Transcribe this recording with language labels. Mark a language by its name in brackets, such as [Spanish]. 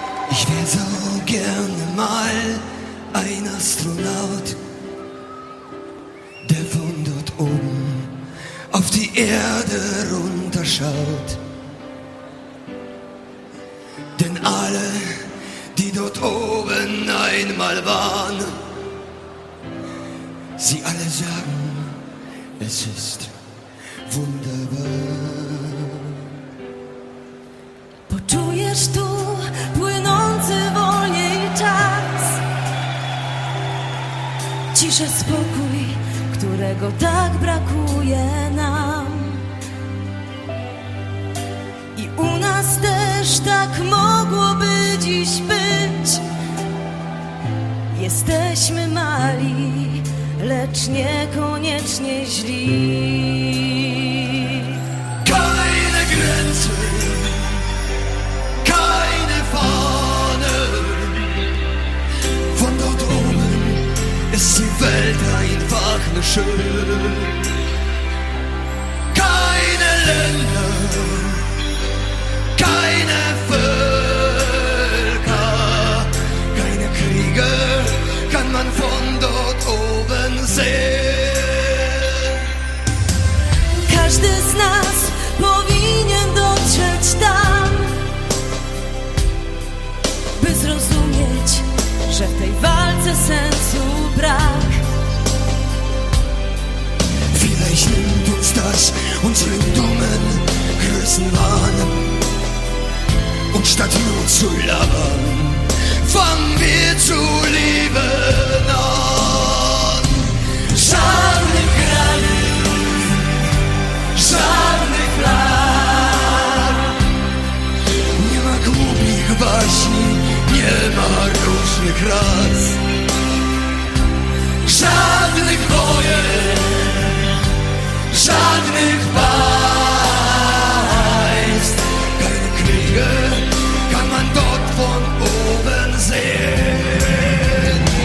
[German] Ich wär so gerne mal ein Astronaut, der von dort oben auf die Erde runterschaut. Denn alle, die dort oben einmal waren, sie alle sagen, es ist wunderbar. [Polish] Poczujesz tu płynący wolniej czas, ciszę, spokój, którego tak brakuje nam. I u nas też tak mogłoby dziś być. Jesteśmy mali, lecz niekoniecznie źli. [German] Keine Grenzen, keine Fahnen. Von dort oben ist die Welt einfach nur schön. Keine Länder, keine Völker, keine Kriege kann man von dort oben sehen. [Polish] Każdy z nas powinien dotrzeć tam, by zrozumieć, że w tej walce sensu brak. [German] Vielleicht nimmt uns das unseren dummen Größenwahn. Und statt nur zu labern, fangen wir zu lieben an. Schaden im Kreis, schaden im Plan. [Polish] Nie ma głupich baśni, nie ma różnych raz. Żadnych wojen, żadnych państw. [German] Keine Kriege kann man dort von oben sehen.